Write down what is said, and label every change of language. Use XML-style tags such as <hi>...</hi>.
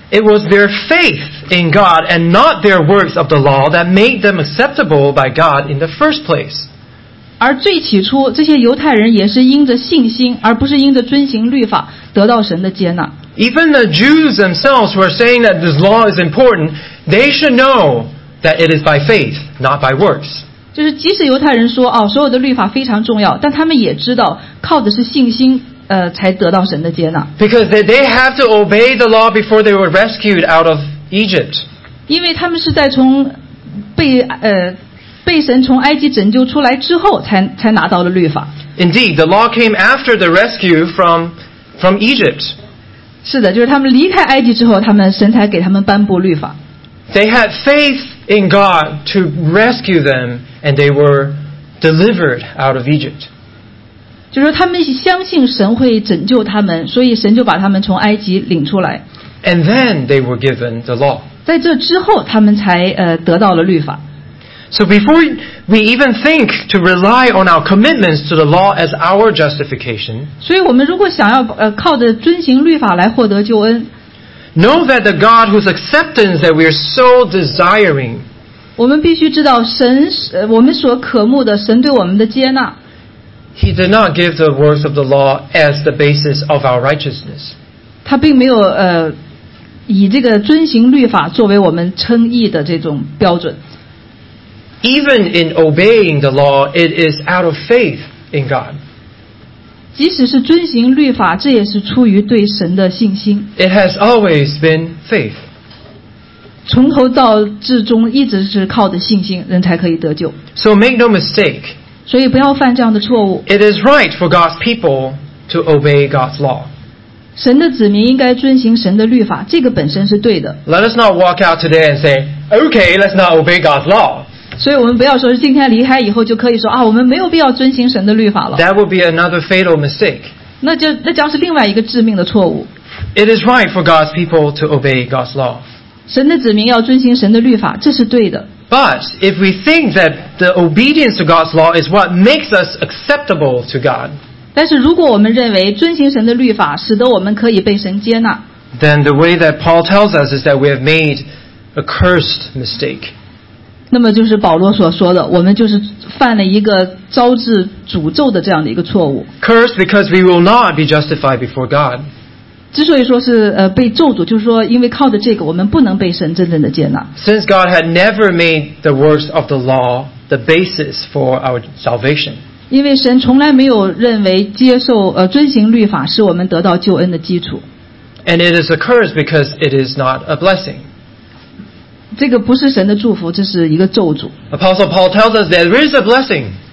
<en>It was their faith in God and not their works of the law that made them acceptable by God in the first place.</en> <zh>而最起初，这些犹太人也是因着信心，而不是因着遵行律法得到神的接纳。</zh> <en>Even the Jews themselves were saying that this law is important. They should know that it is by faith, not by works.</en> <zh>就是即使犹太人说哦，所有的律法非常重要，但他们也知道靠的是信心，才得到神的接纳。</zh> <en>Because they have to obey the law before they were rescued out of Egypt.</en> <zh>因为他们是在从被神从埃及拯救出来之后才拿到了律法。</zh> <en>Indeed, the law came after the rescue from Egypt.</en> <zh>是的，就是他们离开埃及之后，他们神才给他们颁布律法。</zh> <en>They had faith in God to rescue them, and they were delivered out of Egypt.</en> <zh>就是他们相信神会拯救他们，所以神就把他们从埃及领出来。</zh> <en>And then they were given the law.</en> <zh>在这之后，他们才得到了律法。</zh> <en>So before we even think to rely on our commitments to the law as our justification,</en> <zh>所以我们如果想要靠着遵行律法来获得救恩</zh> <en>Know that the God whose acceptance that we are so desiring.</en> <zh>我们必须知道神，我们所渴慕的神对我们的接纳。</zh> <en>He did not give the works of the law as the basis of our righteousness.</en> <zh>他并没有以这个遵行律法作为我们称义的这种标准。</zh> <en>Even in obeying the law, it is out of faith in God.</en> <zh>即使是遵行律法，这也是出于对神的信心。</zh> <en>It has always been faith.</en> <zh>从头到至终一直是靠着信心，人才可以得救。</zh> <en>So make no mistake.</en> <zh>所以不要犯这样的错误。</zh> <en>It is right for God's people to obey God's law.</en> <zh>神的子民应该遵行神的律法，这个本身是对的。</zh> <en>Let us not walk out today and say, okay, let's not obey God's law.</en> <zh>所以我们不要说是今天离开以后就可以说啊，我们没有必要遵行神的律法了。</zh> <en>That would be another fatal mistake.</en> <zh>那将是另外一个致命的错误。</zh> <en>It is right for God's people to obey God's law.</en> <zh>神的子民要遵行神的律法，这是对的。</zh> <en>But if we think that the obedience to God's law is what makes us acceptable to God,</en> <zh>但是如果我们认为遵行神的律法使得我们可以被神接纳，</zh> <en>then the way that Paul tells us is that we have made a cursed mistake.</en> <zh>那么就是保罗所说的，我们就是犯了一个招致诅咒的这样的一个错误。</zh> <en>Cursed because we will not be justified before God.</en> <zh>之所以说是被咒诅，就是说因为靠着这个，我们不能被神真正的接纳。</zh> <en>Since God had never made the works of the law the basis for our salvation.</en> <zh>因为神从来没有认为接受遵行律法是我们得到救恩的基础。</zh> <en>And it is a curse because it is not a blessing.</en> <zh>这个不是神的祝福，这是一个咒诅。</zh> <en>Apostle Paul tells us that there is a blessing.</en>